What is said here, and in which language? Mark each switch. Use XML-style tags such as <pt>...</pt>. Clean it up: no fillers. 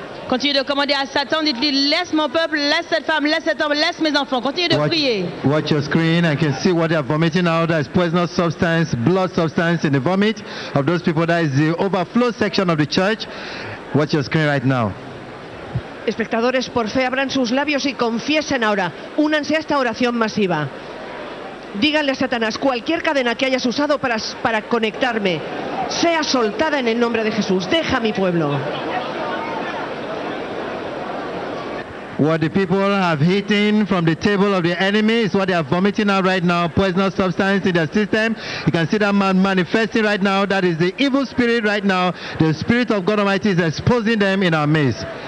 <fr>Continue de commander à Satan, dites-lui, laisse mon peuple, laisse cette femme, laisse cet homme, laisse mes enfants. Continue de prier.</fr> <en>Watch your screen and can see what they are vomiting out. There is poisonous substance, blood substance in the vomit of those people. That is the overflow section of the church. Watch your screen right now.</en> <es>Espectadores, por fe, abran sus labios y confiesen ahora. Únanse a esta oración masiva. Díganle a Satanás, cualquier cadena que hayas usado para conectarme, sea soltada en el nombre de Jesús. Deja mi pueblo.</es> <en>What the people have eaten from the table of the enemy is what they are vomiting out right now. Poisonous substance in their system. You can see that man manifesting right now. That is the evil spirit right now. The spirit of God Almighty is exposing them in our midst.</en>